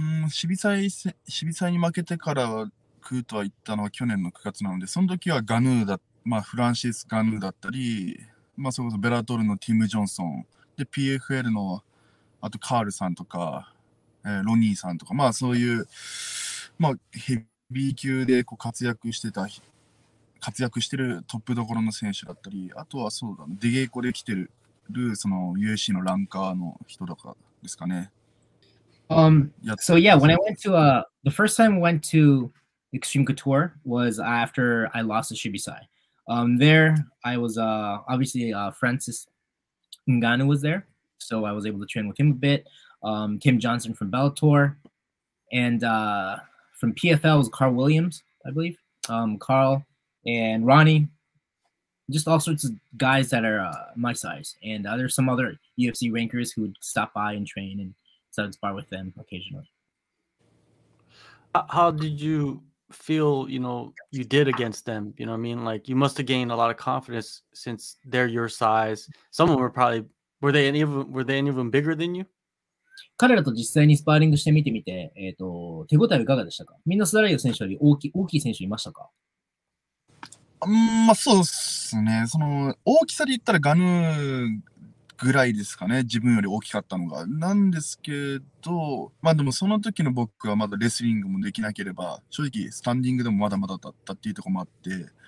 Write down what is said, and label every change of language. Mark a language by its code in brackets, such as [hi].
[ja] シビサイに負けてからクートは行ったのは去年の9月なので、その時はガヌーだ、まあ、フランシス・ガヌーだったり、まあ、それこそベラトルのティム・ジョンソン、で、PFL の、あとカールさんとか、ロニーさんとか、まあ、そういう、まあ、ヘビー級でこう活躍してるトップどころの選手だったり、あとはそうだね、出稽古で来てる、その UAC のランカーの人とかですかね。 [en] So yeah, when I went to the first time I went to Extreme Couture was after I lost to Shibisai. There I was obviously Francis Ngannou was there, so I was able to train with him a bit. Tim Johnson from Bellator, and from PFL was Carl Williams, I believe. Carl and Ronnie, just all sorts of guys that are my size, and there's some other UFC rankers who would stop by and train and spar with them occasionally. How did you feel, you know, you did against them? You know what I mean? Like, you must have gained a lot of confidence since they're your size. Some of them were probably, were they any of them bigger than you? [ja] 彼らと実際にスパーリングしてみてみて、手応えはいかがでしたか？みんなスダライオ選手より大きい選手いましたか？まあそうですね。その大きさで言ったらガヌーぐらいですかね。自分より大きかったのが。なんですけど、まあでもその時の僕はまだレスリングもできなければ、正直スタンディングでもまだまだだったっていうところもあって、